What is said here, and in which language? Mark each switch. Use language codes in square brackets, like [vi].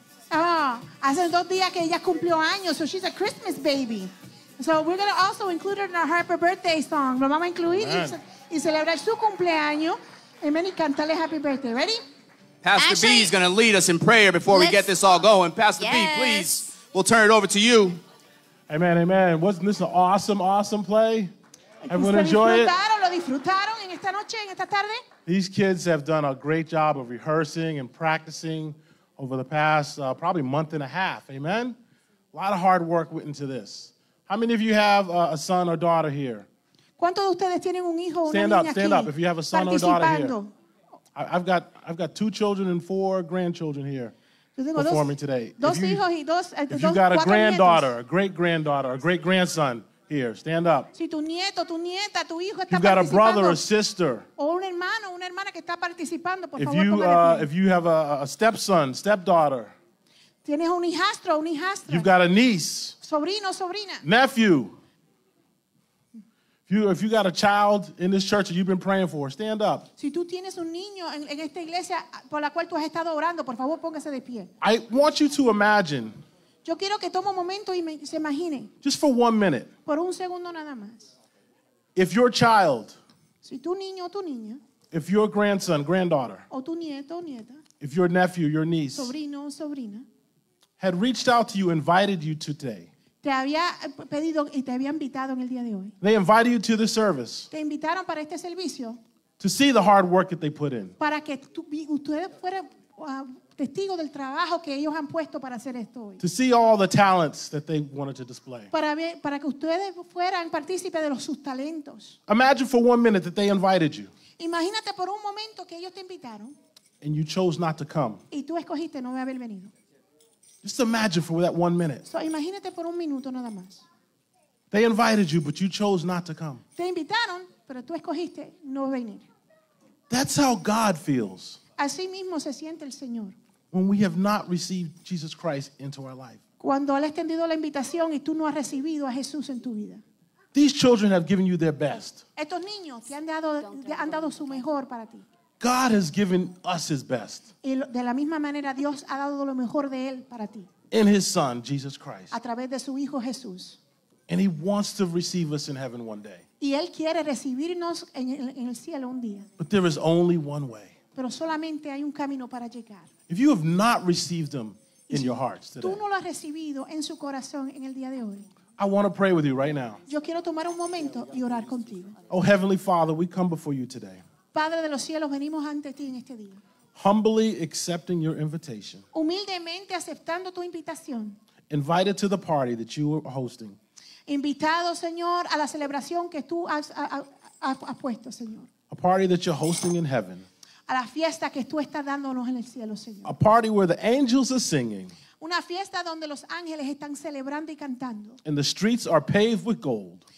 [es] Ah, hace 2 días que ella cumplió años, [en] so she's a Christmas baby. So we're going to also include her in our Happy Birthday song. [es] Lo vamos a incluir y celebrar su cumpleaños. Amen, y cantarle Happy Birthday. [en] Ready? Pastor B is going to lead us in prayer before we get this all going. Pastor B, please, we'll turn it over to you. Amen, amen. Wasn't this an awesome, awesome play? Everyone enjoy it? [es] ¿Lo disfrutaron en esta noche, en esta tarde? [en] These kids have done a great job of rehearsing and practicing over the past probably month and a half. Amen? A lot of hard work went into this. How many of you have a son or daughter here? [es] ¿Cuántos de ustedes tienen un hijo, una [en] stand [es] niña [en] up, stand [es] aquí [en] up if you have a son or daughter here. I've got 2 children and 4 grandchildren here performing today. If you got a granddaughter, a great-granddaughter, a great-grandson here, stand up. [es] Si tu nieto, tu nieta, tu hijo está, [en] you've got a brother or sister. [es] O un hermano, una hermana que está participando, por [en] if [es] favor, [en] you, if you have a stepson, stepdaughter. [es] Tienes un hijastro, un hijastra. [en] You've got a niece. [es] Sobrino, sobrina. [en] Nephew. If you got a child in this church that you've been praying for, stand up. [es] Si tú tienes un niño en esta iglesia por la cual tú has estado orando, por favor, póngase de pie. [en] I want you to imagine. [es] Yo quiero que tome un momento y se imagine. [en] Just for 1 minute. [es] Por un segundo nada más. [en] If your child. [es] Si tu niño o tu niña. [en] If your grandson, granddaughter. [es] O tu nieto o nieta. [en] If your nephew, your niece. [es] Sobrino o sobrina. [en] Had reached out to you, invited you today. [es] Te había pedido y te había invitado en el día de hoy. [en] They invited you to the service. [es] Te invitaron para este servicio. [en] To see the hard work that they put in. [es] Para que ustedes fueran testigo del trabajo que ellos han puesto para hacer esto hoy. [en] To see all the talents that they wanted to display. [es] Para que ustedes fueran partícipes de sus talentos. [en] Imagine for 1 minute that they invited you. [es] Imagínate por un momento que ellos te invitaron. [en] And you chose not to come. [es] Y tú escogiste no haber venido. [en] Just imagine for that 1 minute. [es] So imagínate por un minuto nada más. [en] They invited you, but you chose not to come. [es] Te invitaron, pero tú escogiste no venir. [en] That's how God feels. [es] Así mismo se siente el Señor. [en] When we have not received Jesus Christ into our life. [es] Cuando Él ha extendido la invitación y tú no has recibido a Jesús en tu vida. [en] These children have given you their best. [es] Estos niños te han dado su mejor para ti. [en] God has given us his best. [es] De la misma manera, Dios ha dado lo mejor de él para ti. [en] In his son, Jesus Christ. [es] A través de su hijo Jesús. [en] And he wants to receive us in heaven one day. [es] Y él quiere recibirnos en el cielo un día. [en] But there is only one way. [es] Pero solamente hay un camino para llegar. [en] If you have not received him in your hearts today. [es] Tú no lo has recibido en su corazón en el día de hoy. [en] I want to pray with you right now. [es] Yo quiero tomar un momento y orar contigo. [en] Oh, Heavenly Father, we come before you today. [es] Padre de los cielos, venimos ante ti en este día. [en] Humbly accepting your invitation. [es] Humildemente aceptando tu invitación. [en] Invited to the party that you are hosting. [es] invitado, Señor, a la celebración que tú has puesto, Señor. [en] A party that you're hosting in heaven. [es] A la fiesta que tú estás dándonos en el cielo, Señor. [en] A party where the angels are singing. [es] Una fiesta donde los ángeles están celebrando y cantando. [en] And the streets are paved with gold.